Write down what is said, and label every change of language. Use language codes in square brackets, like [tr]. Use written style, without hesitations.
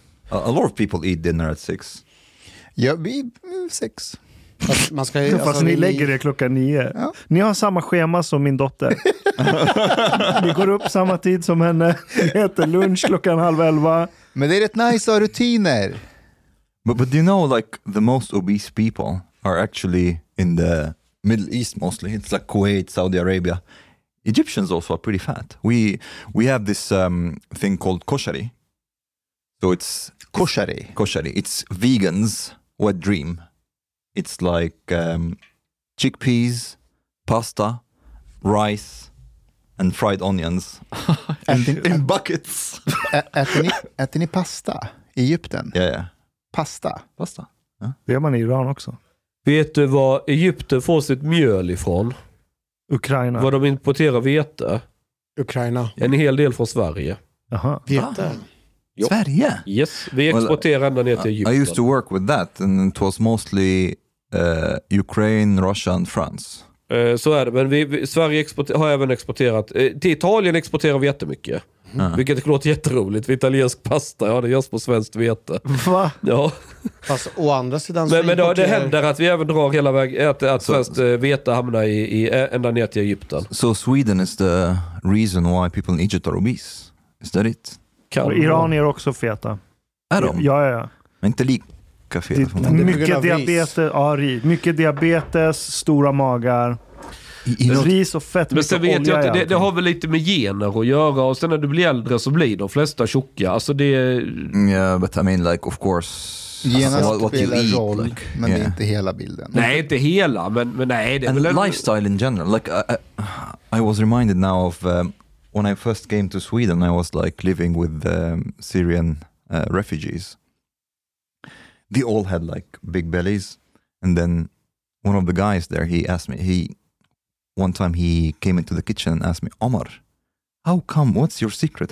[en] A lot of people eat dinner at 6. [sv] Ja, vi 6. Man ska, fast alltså, ni lägger det klockan 9. Ja. Ni har samma schema som min dotter. Ni går upp samma tid som henne. Ni äter lunch klockan 10:30. Men det är rätt nice av rutiner. [en] But do you know like the most obese people are actually in the Middle East mostly. It's like Kuwait, Saudi Arabia. Egyptians also are pretty fat. We have this thing called koshari. So it's koshari. Koshari. It's vegans' wet dream. It's like chickpeas, pasta, rice, and fried onions in buckets. [sv] Äter ni pasta i Egypten? Ja, ja. Pasta? Pasta. Ja. Det gör man i Iran också. Vet du var Egypten får sitt mjöl ifrån? Ukraina. Var de importerar vete? Ukraina. En hel del från Sverige. Aha. Vete. Jo. Sverige? Yes, vi exporterar ända ner till Egypten. [en] I used to work with that, and it was mostly... Ukraine, Russia and France. [sv] Så är det, men Sverige har även exporterat, till Italien exporterar vi jättemycket. Mm. Vilket låter jätteroligt, för italiensk pasta, ja, det görs på svenskt vete. Va? Ja. Fast å andra sidan det händer att vi även drar hela vägen att svenskt vete hamnar i ända ner till Egypten. [en] So Sweden is the reason why people in Egypt are obese. Is that it? [sv] Iran är också feta. Är de? Ja. Men inte lika. Mycket diabetes, stora magar, ris och fett. Men sen vet jag att det har väl lite med gener att göra, och sen när du blir äldre så blir de flesta tjocka. Alltså det är... [en] Yeah, but I mean like of course [sv] gener spelar roll, men det är inte hela bilden. Nej, inte hela, men nej, det är väl [en] lifestyle in general. Like I was reminded now of when I first came to Sweden, I was like living with Syrian refugees. They all had like big bellies, and then one of the guys there, he asked me, one time he came into the kitchen and asked me, Omar, how come, what's your secret?